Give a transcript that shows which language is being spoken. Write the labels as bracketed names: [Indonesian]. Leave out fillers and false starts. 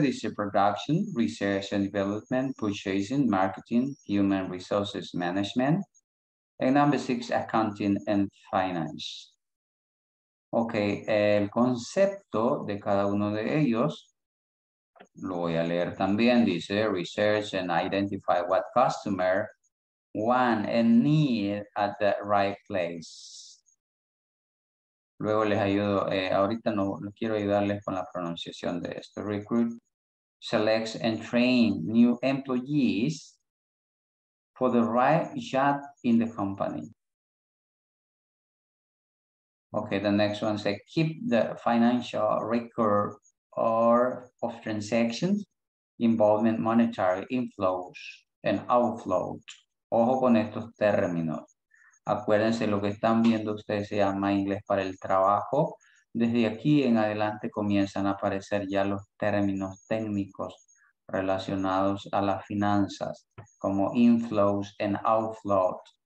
[Spanish] Dice [English] production, research and development, purchasing, marketing, human resources management, and number six, accounting and finance. [Spanish] Okay, el concepto de cada uno de ellos, lo voy a leer también. Dice [English] research and identify what customer want and need at the right place. [Spanish] Luego les ayudo, ahorita no quiero ayudarles con la pronunciación de esto. Recruit, [English] selects and trains new employees for the right job in the company. Okay, the next one says keep the financial record or of transactions involvement monetary inflows and outflows. [Spanish] Ojo con estos términos. Acuérdense, lo que están viendo ustedes se llama inglés para el trabajo. Desde aquí en adelante comienzan a aparecer ya los términos técnicos relacionados a las finanzas, como inflows and outflows.